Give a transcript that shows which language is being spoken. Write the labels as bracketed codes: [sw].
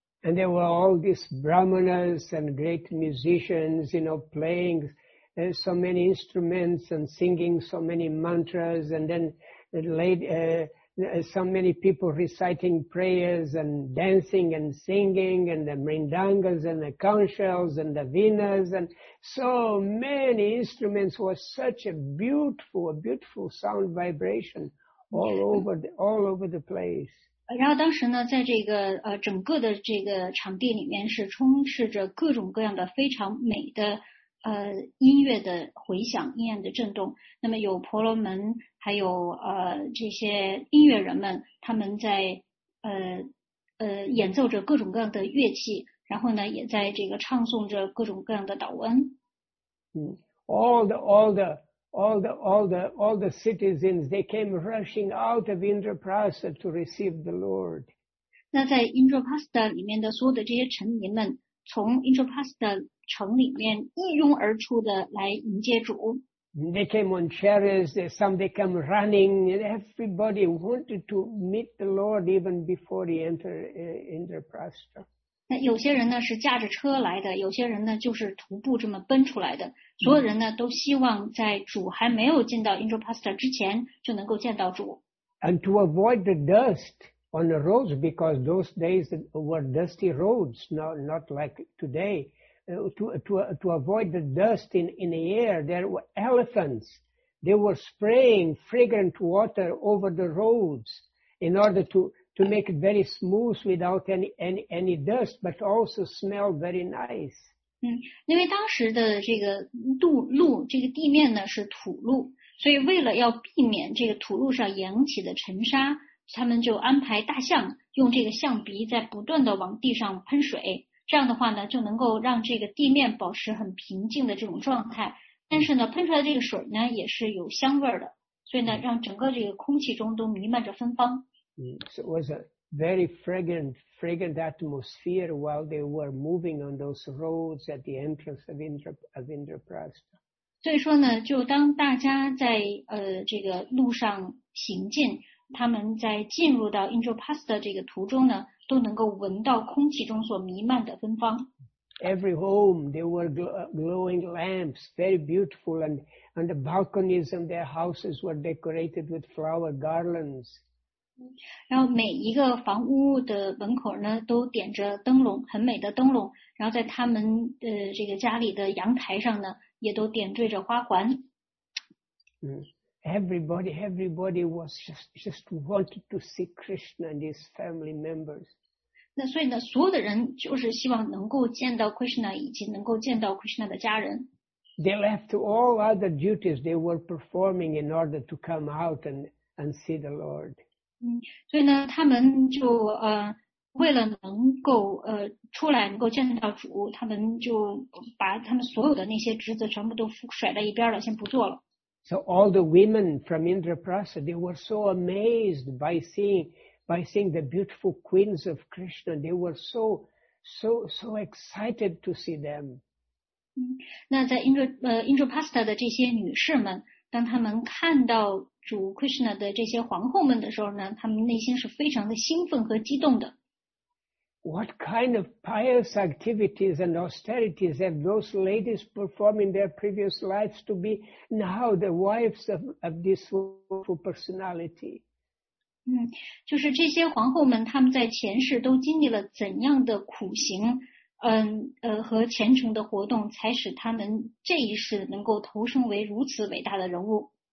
[en] And there were all these brahmanas and great musicians, you know, playing so many instruments and singing so many mantras, and then so many people reciting prayers and dancing and singing, and the mrindangas and the conch shells and the veenas, and so many instruments were such a beautiful sound vibration all over the place. [zh] 然后当时呢，在这个整个的这个场地里面是充斥着各种各样的非常美的音乐的回响，音乐的震动。那么有婆罗门，还有这些音乐人们，他们在演奏着各种各样的乐器，然后呢，也在这个唱诵着各种各样的祷文。 [en] All the citizens, they came rushing out of Indraprastha to receive the Lord. [zh] 那在 Indraprastha 里面的所有的这些臣民们从 Indraprastha 城里面一拥而出的来迎接主。 [en] They came on chariots, some they came running, and everybody wanted to meet the Lord even before he entered Indraprastha. [zh] 那有些人呢是驾着车来的，有些人呢就是徒步这么奔出来的。所有人呢都希望在主还没有进到 Indraprastha 之前就能够见到主。 [en] And to avoid the dust on the roads, because those days were dusty roads, not like today. To avoid the dust in the air, there were elephants. They were spraying fragrant water over the roads in order to make it very smooth without any dust, but also smell very nice. [zh] 因为当时的这个路这个地面呢是土路，所以为了要避免这个土路上扬起的尘沙，他们就安排大象用这个象鼻在不断的往地上喷水，这样的话呢就能够让这个地面保持很平静的这种状态，但是呢喷出来的这个水呢也是有香味的，所以呢让整个这个空气中都弥漫着芬芳。 [en] So it was a very fragrant atmosphere while they were moving on those roads at the entrance of Indraprastha. [zh] 所以说呢就当大家在这个路上行进，他们在进入到 Indraprastha 这个途中呢都能够闻到空气中所弥漫的芬芳。 [en] Every home, there were glowing lamps, very beautiful, and on the balconies of their houses were decorated with flower garlands. [zh] 然后每一个房屋的门口呢都点着灯笼，很美的灯笼，然后在他们这个家里的阳台上呢也都点缀着花环。 [en] Everybody was just wanted to see Krishna and his family members. [zh] 那所以呢，所有的人就是希望能够见到 Krishna 以及能够见到 Krishna 的家人。 [en] They left all other duties they were performing in order to come out and see the Lord. [zh] 所以呢，他们就为了能够出来能够见到主，他们就把他们所有的那些职责全部都甩在一边了，先不做了。 [en] So all the women from Indraprastha, they were so amazed by seeing the beautiful queens of Krishna. They were so excited to see them. [zh] 那在 Indraprastha 的这些女士们，当她们看到主 Krishna 的这些皇后们的时候呢，她们内心是非常的兴奋和激动的。 [en] What kind of pious activities and austerities have those ladies performed in their previous lives to be now the wives of this wonderful personality? [zh] 就是这些皇后们他们在前世都经历了怎样的苦行和虔诚的活动才使他们这一世能够投身为如此伟大的人物。